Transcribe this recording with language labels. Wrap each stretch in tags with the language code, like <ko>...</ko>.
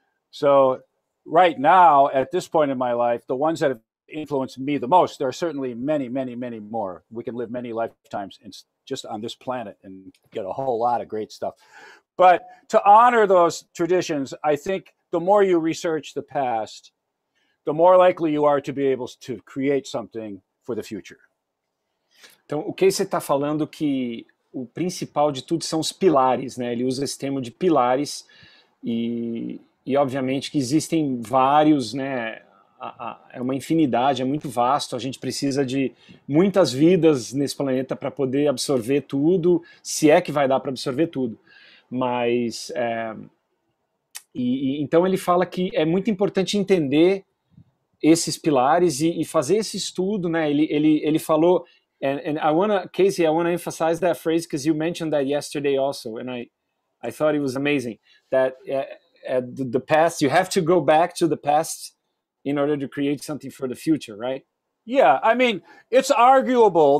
<en>So right now, at this point in my life, the ones that have influenced me the most, there are certainly many, many, many more. We can live many lifetimes in, just on this planet and get a whole lot of great stuff. But to honor those traditions, I think the more you research the past, the more likely you are to be able to create something for the future.</en> <pt>Então, o que você está falando que o principal de tudo são os pilares, né? Ele usa esse termo de pilares e obviamente que existem vários, né? É uma infinidade, é muito vasto, a gente precisa de muitas vidas nesse planeta para poder absorver tudo, se é que vai dar para absorver tudo. Mas, então ele fala que é muito importante entender esses pilares e fazer esse estudo, né? Ele falou,</pt> <en>and I wanna, Casey, I wanna emphasize that phrase because you mentioned that yesterday also, and I thought it was amazing that the past, you have to go back to the past in order to create something for the future, right? Yeah, I mean, it's arguable.</en>